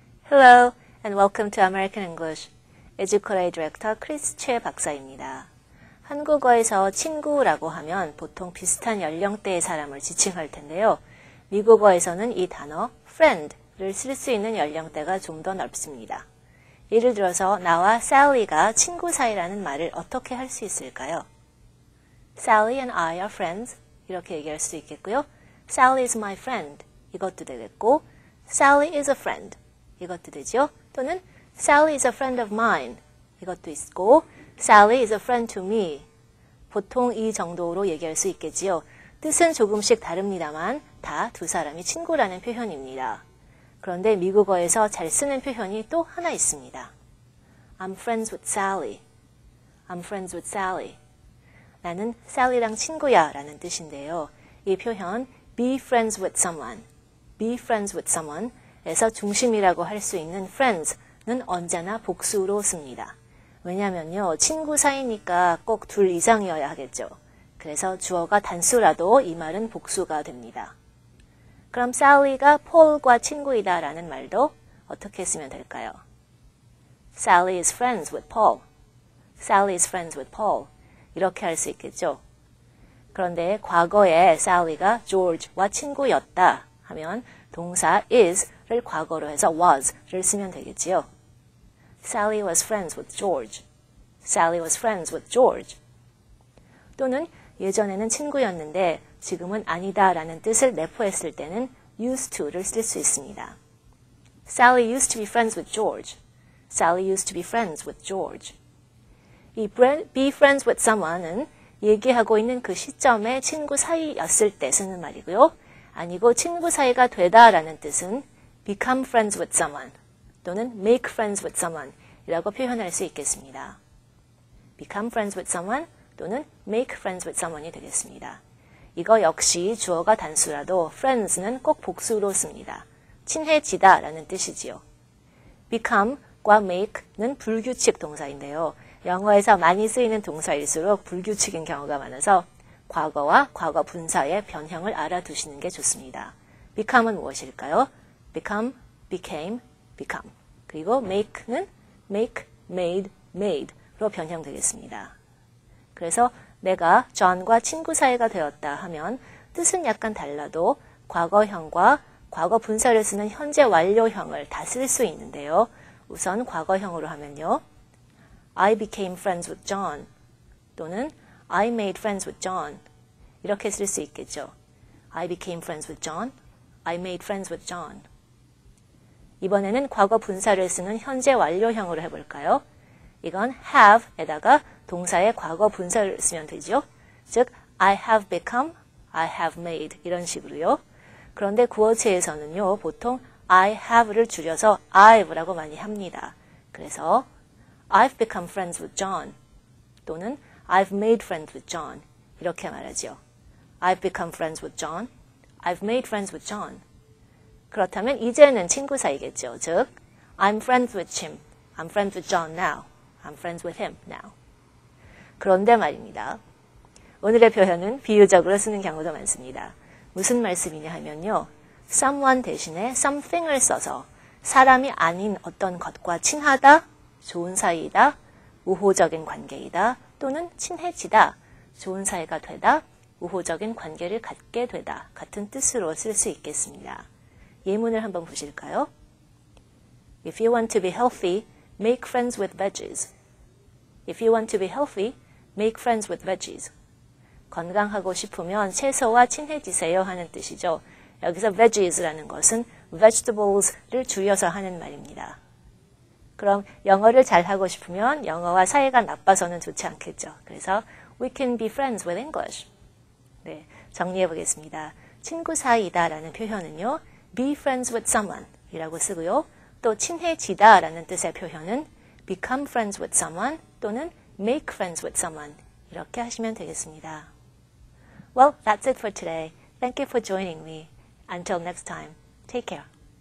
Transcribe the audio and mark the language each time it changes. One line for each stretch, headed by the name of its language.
English: Hello and welcome to American English. Educolay Director Chris Choi
Korean: 박사입니다. 한국어에서 친구라고 하면 보통 비슷한 연령대의 사람을 지칭할 텐데요. 미국어에서는 이 단어 friend를 쓸 수 있는 연령대가 좀 더 넓습니다. 예를 들어서 나와 Sally가 친구 사이라는 말을 어떻게 할 수 있을까요?
English: Sally and I are friends.
Korean: 이렇게 얘기할 수 있겠고요.
English: Sally is my friend.
Korean: 이것도 되겠고
English: Sally is a friend.
Korean: 이것도 되죠. 또는
English: Sally is a friend of mine.
Korean: 이것도 있고
English: Sally is a friend to me.
Korean: 보통 이 정도로 얘기할 수 있겠지요. 뜻은 조금씩 다릅니다만 다 두 사람이 친구라는 표현입니다. 그런데 미국어에서 잘 쓰는 표현이 또 하나 있습니다.
English: I'm friends with Sally. I'm friends with Sally.
Korean: 나는 Sally랑 친구야 라는 뜻인데요.
English: 이 표현 be friends with someone. Be friends with someone.
Korean: 에서 중심이라고 할 수 있는 friends는 언제나 복수로 씁니다. 왜냐면요, 친구 사이니까 꼭 둘 이상이어야 하겠죠. 그래서 주어가 단수라도 이 말은 복수가 됩니다. 그럼 Sally가 Paul과 친구이다 라는 말도 어떻게 쓰면 될까요?
English: Sally is friends with Paul. Sally is friends with Paul.
Korean: 이렇게 할 수 있겠죠. 그런데 과거에 Sally가 George와 친구였다 하면 동사 is 를 과거로 해서 was를 쓰면 되겠지요.
English: Sally was friends with George. Sally was friends with George.
Korean: 또는 예전에는 친구였는데 지금은 아니다 라는 뜻을 내포했을 때는 used to를 쓸 수 있습니다.
English: Sally used to be friends with George. Sally used to be friends with George.
Korean: 이
English: be friends with someone
Korean: 은 얘기하고 있는 그 시점에 친구 사이였을 때 쓰는 말이고요. 아니고 친구 사이가 되다 라는 뜻은
English: become friends with someone
Korean: 또는
English: make friends with someone
Korean: 이라고 표현할 수 있겠습니다.
English: become friends with someone
Korean: 또는
English: make friends with someone이 되겠습니다.
Korean: 이거 역시 주어가 단수라도 friends는 꼭 복수로 씁니다. 친해지다 라는 뜻이지요. become과 make는 불규칙 동사인데요. 영어에서 많이 쓰이는 동사일수록 불규칙인 경우가 많아서 과거와 과거 분사의 변형을 알아두시는 게 좋습니다.
English: become은
Korean: 무엇일까요?
English: become, became, become.
Korean: 그리고 make는
English: make, made, made
Korean: 로 변형되겠습니다. 그래서 내가 John과 친구 사이가 되었다 하면 뜻은 약간 달라도 과거형과 과거 분사를 쓰는 현재 완료형을 다 쓸 수 있는데요. 우선 과거형으로 하면요.
English: I became friends with John
Korean: 또는
English: I made friends with John
Korean: 이렇게 쓸 수 있겠죠.
English: I became friends with John. I made friends with John.
Korean: 이번에는 과거 분사를 쓰는 현재 완료형으로 해볼까요? 이건 have에다가 동사의 과거 분사를 쓰면 되죠.
English: 즉, I have become, I have made
Korean: 이런 식으로요. 그런데 구어체에서는요, 보통 I have를 줄여서 I've라고 많이 합니다.
English: 그래서 I've become friends with John
Korean: 또는
English: I've made friends with John
Korean: 이렇게 말하죠.
English: I've become friends with John, I've made friends with John.
Korean: 그렇다면 이제는 친구 사이겠죠.
English: 즉, I'm friends with him. I'm friends with John now. I'm friends with him now.
Korean: 그런데 말입니다. 오늘의 표현은 비유적으로 쓰는 경우도 많습니다. 무슨 말씀이냐 하면요. someone 대신에 something을 써서 사람이 아닌 어떤 것과 친하다, 좋은 사이이다, 우호적인 관계이다, 또는 친해지다, 좋은 사이가 되다, 우호적인 관계를 갖게 되다, 같은 뜻으로 쓸 수 있겠습니다. 예문을 한번 보실까요?
English: If you want to be healthy, make friends with veggies. If you want to be healthy, make friends with veggies.
Korean: 건강하고 싶으면 채소와 친해지세요 하는 뜻이죠. 여기서 veggies라는 것은 vegetables를 줄여서 하는 말입니다. 그럼 영어를 잘 하고 싶으면 영어와 사이가 나빠서는 좋지 않겠죠.
English: 그래서 we can be friends with English.
Korean: 네, 정리해 보겠습니다. 친구 사이다 라는 표현은요.
English: be friends with someone
Korean: 이라고 쓰고요. 또 친해지다 라는 뜻의 표현은
English: become friends with someone
Korean: 또는
English: make friends with someone
Korean: 이렇게 하시면 되겠습니다.
English: Well, that's it for today. Thank you for joining me. Until next time, take care.